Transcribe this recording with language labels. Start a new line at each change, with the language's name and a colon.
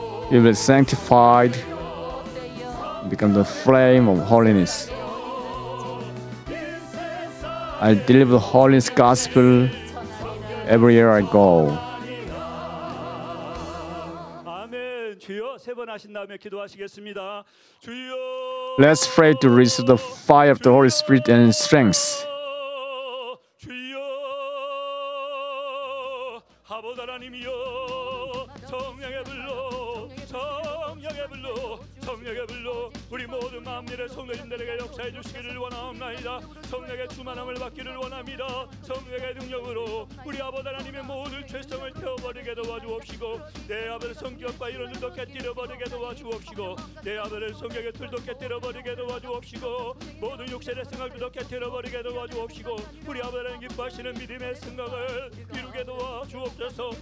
English: You will be sanctified and become the flame of holiness. I deliver the holiness gospel everywhere I go. Amen.
Korean: 주여 세 번 하신 다음에 기도하시겠습니다. 주여.
English: Let's pray to receive the fire of the Holy Spirit and strength.
Korean: 주여. 아버지 하나님이여 성령의 불로 성령의 불로 성령의 불로 우리 모든 마음들의 성도님들에게 역사해 주시기를 원하옵나이다. 성령의 충만함을 받기를 원합니다. 성령의 능력으로 우리 아버지 하나님의 모든 죄성을 태워버리게 도와주옵시고 내 아버지 성격과 이론들도 깨뜨려버리게 도와주옵시고 내 아버지 성격의 틀도 깨뜨려버리게 도와주옵시고 모든 육체의 생각들도 깨뜨려버리게 도와주옵시고 우리 아버지는 기뻐하시는 믿음의 생각을 이루게 도와주옵소서.